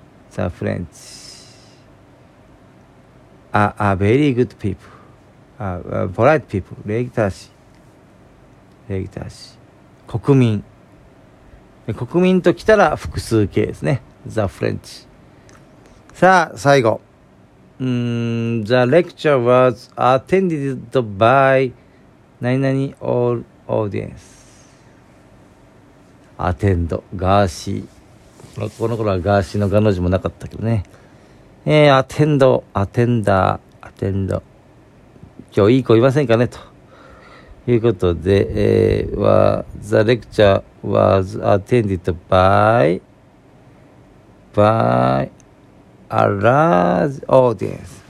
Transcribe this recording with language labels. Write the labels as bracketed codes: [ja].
[en] The French are a very good people. Polite people. [ja] 礼儀正しい。礼儀正しい国民。国民と来たら複数形ですね。 [en] The French。 [ja] さあ、最後。 [en] The lecture was attended by [ja] 何々 [en] all audience。 [ja] アテンド、ガーシー。この頃はガーシーのガの字もなかったけどね。アテンド、アテンダー、アテンド。今日いい子いませんかねと。ということで、 [en] the lecture was attended by a large audience.